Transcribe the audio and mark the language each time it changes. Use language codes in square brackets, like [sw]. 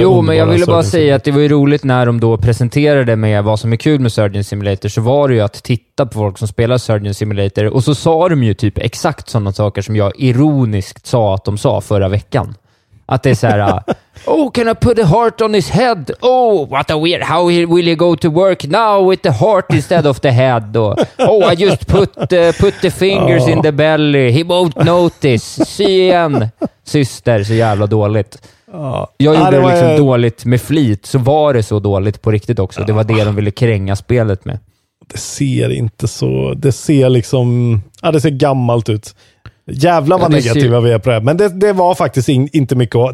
[sv] Jo, men jag ville bara säga att det var ju roligt när de då presenterade med vad som är kul med Surgeon Simulator, så var det ju att titta på folk som spelar Surgeon Simulator, och så sa de ju typ exakt sådana saker som jag ironiskt sa att de sa förra veckan. Att det är så här: [en] oh, can I put a heart on his head? Oh, what a weird, how will you go to work now with the heart instead of the head? Och, oh, I just put the fingers in the belly. He won't notice. See again. [sv] Syster, så jävla dåligt. Jag gjorde det liksom dåligt med flit, så var det så dåligt på riktigt också. Det var det de ville kränga spelet med. Det ser inte så... Det ser liksom... Ja, det ser gammalt ut. Jävla vad negativa vi är på det här. Men det var faktiskt inte mycket.